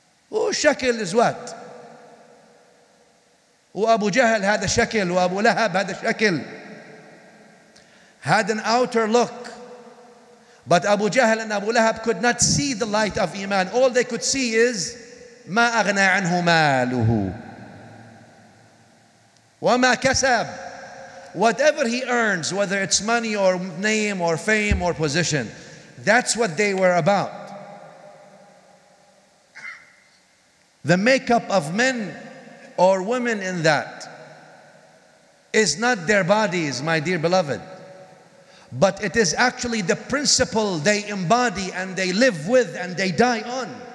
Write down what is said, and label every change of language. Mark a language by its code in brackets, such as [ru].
[en] Oh, shekel is what? Oh, Abu Jahl had a shekel, oh, Abu Lahab had a shekel. Had an outer look. But Abu Jahl and Abu Lahab could not see the light of Iman. All they could see is, [ar] مَا أَغْنَى عَنْهُ مَالُهُ وَمَا كَسَبْ. [en] Whatever he earns, whether it's money or name or fame or position, that's what they were about. The makeup of men or women in that is not their bodies, my dear beloved, but it is actually the principle they embody and they live with and they die on.